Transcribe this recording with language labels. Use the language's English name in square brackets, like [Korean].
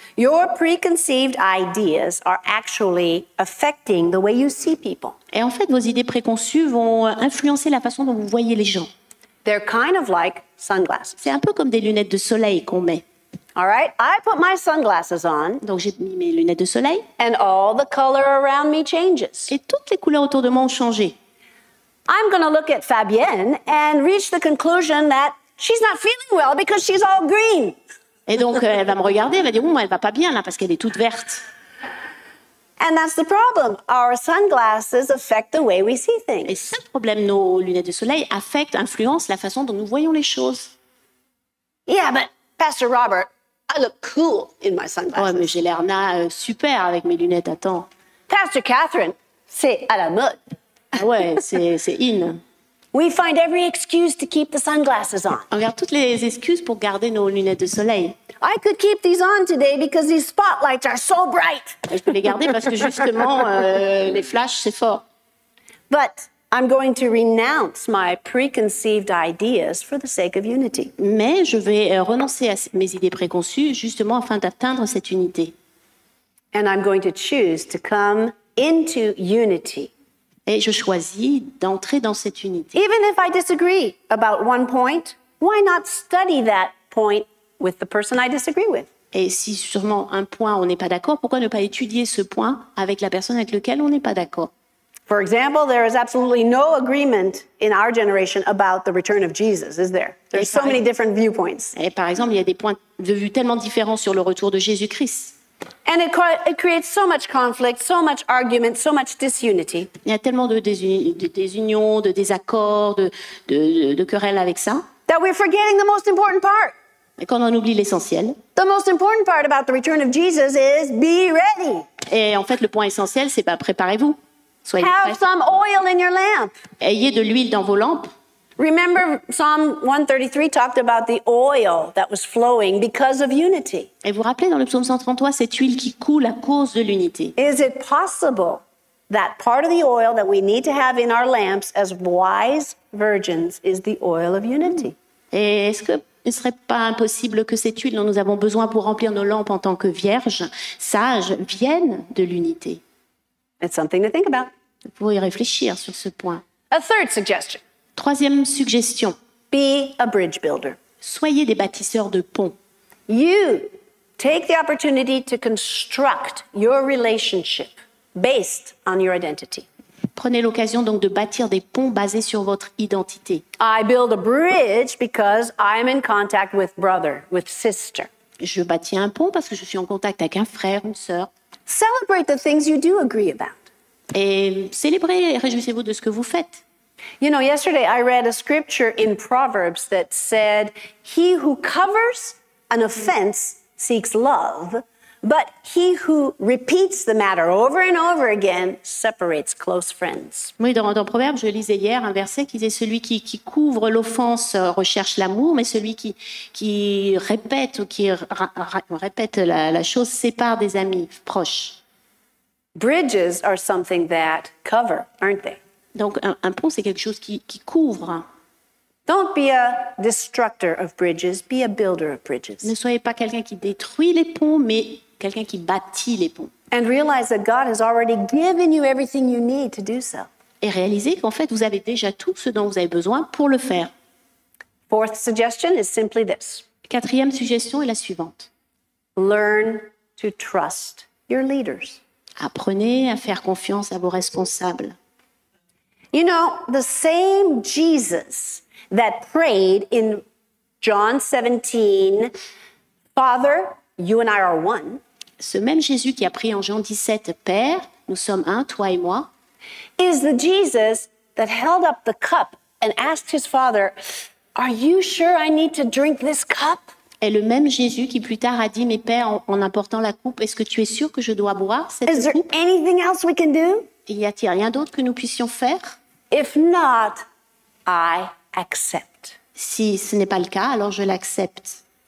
[English] Your preconceived ideas are actually affecting the way you see people. [French] Et en fait, vos idées préconçues vont influencer la façon dont vous voyez les gens. [English] They're kind of like sunglasses. [French] C'est un peu comme des lunettes de soleil qu'on met. [English] All right, I put my sunglasses on. [French] Donc j'ai mis mes lunettes de soleil. [English] And all the color around me changes. [French] Et toutes les couleurs autour de moi ont changé. [English] I'm going to look at Fabienne and reach the conclusion that she's not feeling well because she's all green. [French] Et donc elle va me regarder, elle va dire, oh, elle va pas bien là parce qu'elle est toute verte. [English] And that's the problem. Our sunglasses affect the way we see things. [French] Et c'est le problème, nos lunettes de soleil affectent, influencent la façon dont nous voyons les choses. [English] Yeah, but Pastor Robert, I look cool in my sunglasses. [French] Ouais, mais j'ai l'air super avec mes lunettes à temps. Pastor Catherine, c'est à la mode. Ouais, c'est in. [English] We find every excuse to keep the sunglasses on. [French] On garde toutes les excuses pour garder nos lunettes de soleil. [English] I could keep these on today because these spotlights are so bright. [French] Je peux les garder parce que justement, les flashs, c'est fort. [English] But I'm going to renounce my preconceived ideas for the sake of unity. [French] Mais je vais renoncer à mes idées préconçues justement afin d'atteindre cette unité. [English] And I'm going to choose to come into unity. [French] Et je choisis d'entrer dans cette unité. [English] Even if I disagree about one point, why not study that point with the person I disagree with? [French] Et si sûrement un point on n'est pas d'accord, pourquoi ne pas étudier ce point avec la personne avec laquelle on n'est pas d'accord? [English] For example, there is absolutely no agreement in our generation about the return of Jesus, is there? There's so many different viewpoints. [French] Et par exemple, il y a des points de vue tellement différents sur le retour de Jésus-Christ. [English] And it creates so much conflict, so much argument, so much disunity. [French] Il y a tellement de désunions, de désaccords, de querelles avec ça. [English] That we're forgetting the most important part. [French] Et qu'on en oublie l'essentiel. [English] The most important part about the return of Jesus is be ready. [French] Et en fait, le point essentiel, c'est pas préparez-vous. Soyez prêts. [English] Have some oil in your lamp. [French] Ayez de l'huile dans vos lampes. [English] Remember, Psalm 133 talked about the oil that was flowing because of unity. [French] Et vous rappelez dans le psaume 133 cette huile qui coule à cause de l'unité. [English] Is it possible that part of the oil that we need to have in our lamps as wise virgins is the oil of unity? [French] Et est-ce que ne serait pas impossible que cette huile dont nous avons besoin pour remplir nos lampes en tant que vierges sages vienne de l'unité? [English] It's something to think about. [French] Vous pouvez réfléchir sur ce point. [English] A third suggestion. [French] Troisième suggestion. [English] Be a bridge builder. [French] Soyez des bâtisseurs de ponts. [English] You take the opportunity to construct your relationship based on your identity. [French] Prenez l'occasion donc de bâtir des ponts basés sur votre identité. [English] I build a bridge because I am in contact with brother, with sister. [French] Je bâtis un pont parce que je suis en contact avec un frère, une sœur. [English] Celebrate the things you do agree about. [French] Et célébrez et réjouissez-vous de ce que vous faites. [English] You know, yesterday I read a scripture in Proverbs that said, "He who covers an offense seeks love, but he who repeats the matter over and over again separates close friends." [French] Oui, dans Proverbes, je lisais hier un verset qui disait celui qui couvre l'offense recherche l'amour, mais celui qui répète la chose sépare des amis proches. [English] Bridges are something that cover, aren't they? [French] Donc un pont, c'est quelque chose qui couvre. [English] Don't be a destructor of bridges, be a builder of bridges. [French] Ne soyez pas quelqu'un qui détruit les ponts, mais quelqu'un qui bâtit les ponts. [English] And realize that God has already given you everything you need to do so. [French] Et réalisez qu'en fait, vous avez déjà tout ce dont vous avez besoin pour le faire. [English] Fourth suggestion is simply this. [French] Quatrième suggestion est la suivante. [English] Learn to trust your leaders. [French] Apprenez à faire confiance à vos responsables. [English] You know, the same Jesus that prayed in John 17, Father, you and I are one. [French] Ce même Jésus qui a prié en Jean 17, Père, nous sommes un, toi et moi. [English] Is the Jesus that held up the cup and asked his father, are you sure I need to drink this cup? [French] Est le même Jésus qui plus tard a dit, mes pères, en apportant la coupe, est-ce que tu es sûr que je dois boire cette coupe? [English] Is there anything else we can do? [French] Y a-t-il rien d'autre que nous puissions faire? [English] If not, I accept. [French] Si ce n'est pas le cas, alors je l'accepte.